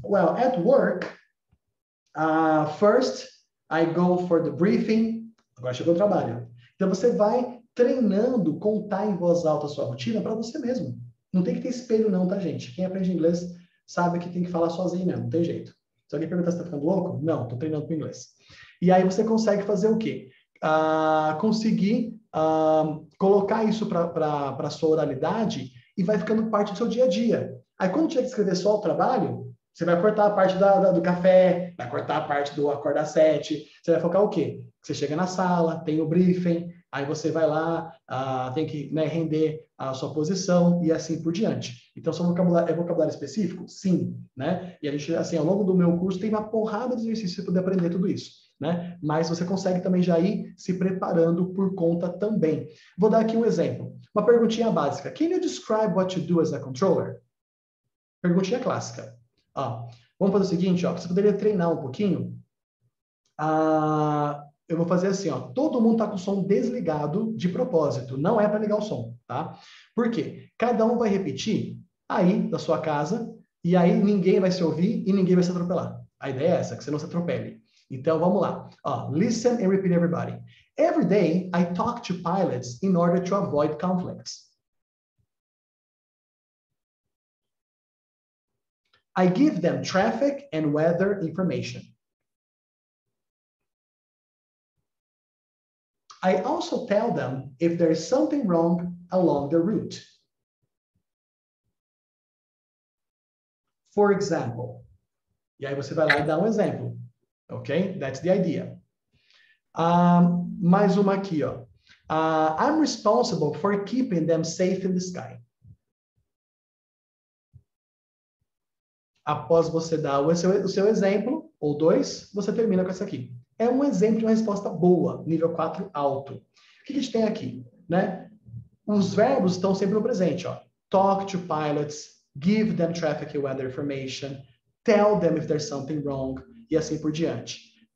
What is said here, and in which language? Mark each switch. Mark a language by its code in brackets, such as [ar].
[en] Well, at work, first, I go for the briefing. [pt] Agora chegou o trabalho. Então você vai treinando contar em voz alta a sua rotina para você mesmo. Não tem que ter espelho, não, tá, gente? Quem aprende inglês sabe que tem que falar sozinho mesmo, não tem jeito. Se alguém perguntar se tá ficando louco, não, tô treinando com inglês. E aí você consegue fazer o quê? Conseguir colocar isso para sua oralidade e vai ficando parte do seu dia a dia. Aí quando tiver que escrever só o trabalho, você vai cortar a parte do café, vai cortar a parte do acordar às 7. Você vai focar o quê? Você chega na sala, tem o briefing, aí você vai lá, tem que, né, render a sua posição e assim por diante. Então, seu vocabulário é vocabulário específico? Sim, né? E a gente, assim, ao longo do meu curso, tem uma porrada de exercícios para poder aprender tudo isso, né? Mas você consegue também já ir se preparando por conta também. Vou dar aqui um exemplo. Uma perguntinha básica. [en] Can you describe what you do as a controller? [pt] Perguntinha clássica. Ó, vamos fazer o seguinte, ó, você poderia treinar um pouquinho? Eu vou fazer assim, ó, todo mundo tá com o som desligado de propósito, não é para ligar o som, tá? Por quê? Cada um vai repetir aí da sua casa e aí ninguém vai se ouvir e ninguém vai se atropelar. A ideia é essa, que você não se atropele. Então vamos lá. Ó, [en] listen and repeat everybody. Every day I talk to pilots in order to avoid conflicts. I give them traffic and weather information. I also tell them if there is something wrong along the route. For example. [pt] E aí você vai lá e dá um exemplo. [en] Ok? That's the idea. [pt] Mais uma aqui, ó. [en] I'm responsible for keeping them safe in the sky. [pt] Após você dar o seu exemplo, ou dois, você termina com essa aqui. É um exemplo de uma resposta boa, nível 4 alto. O que a gente tem aqui, né? Os verbos estão sempre no presente, ó. [en] Talk to pilots, give them traffic and weather information, tell them if there's something wrong, [pt] e assim por diante.